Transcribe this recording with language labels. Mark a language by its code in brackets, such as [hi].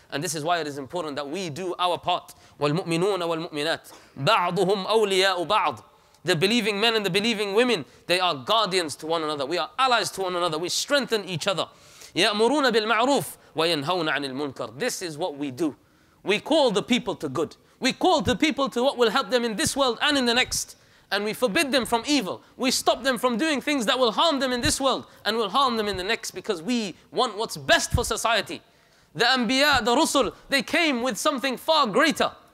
[en] And this is why it is important that we do our part. [ar] والمؤمنون والمؤمنات بعضهم أولياء بعض. [en] The believing men and the believing women, they are guardians to one another. We are allies to one another. We strengthen each other. [ar] يأمرون بالمعروف وينهون عن المنكر. [en] This is what we do. We call the people to good. We call the people to what will help them in this world and in the next. And we forbid them from evil. We stop them from doing things that will harm them in this world and will harm them in the next, because we want what's best for society. The Anbiya, the Rusul, they came with something far greater.